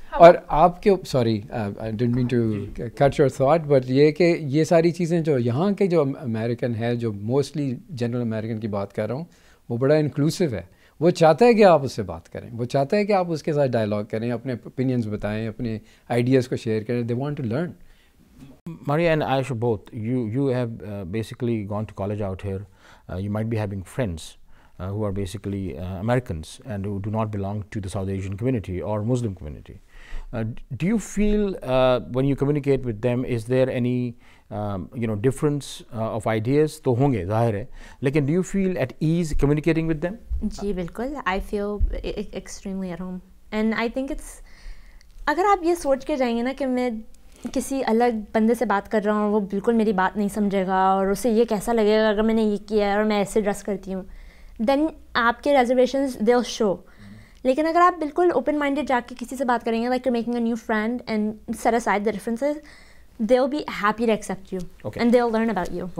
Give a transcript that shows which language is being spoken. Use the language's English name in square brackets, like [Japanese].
[Urdu] اور آپ کے [English] sorry I didn't mean to cut your thought, [Urdu] but یہ کہ یہ ساری چیزیں جو یہاں کے جو امریکن ہے, جو موسٹلی جنرل امریکن کی بات کر رہا ہوں, وہ بڑا انکلوسیو ہے. وہ چاہتا ہے کہ آپ اس سے بات کریں, وہ چاہتا ہے کہ آپ اس کے ساتھ ڈائلاگ کریں, اپنے اوپینینس بتائیں, اپنے آئیڈیاز کو شیئر کریں. [English] They want to learn. Maria and Ayush both, you have basically gone to college out here. You might be having friends who are basically Americans and who do not belong to the South Asian community or Muslim community. Do you feel when you communicate with them, is there any difference of ideas? [Urdu] To honge zahir hai, lekin [English] do you feel at ease communicating with them? [Urdu] Ji bilkul, [English] I feel extremely at home. And I think it's [Urdu] agar aap ye soch ke jayenge na ki main کسی الگ بندے سے بات کر رہا ہوں اور وہ بالکل میری بات نہیں سمجھے گا اور اسے یہ کیسا لگے گا اگر میں نے یہ کیا ہے اور میں ایسے ڈریس کرتی ہوں, دین آپ کے ریزرویشنز [English] They will show. [Urdu] لیکن اگر آپ بالکل اوپن مائنڈیڈ جا کے کسی سے بات کریں گے, [English] Like you making a new friend and set aside the differences, they will be happy to accept you and they will learn about you.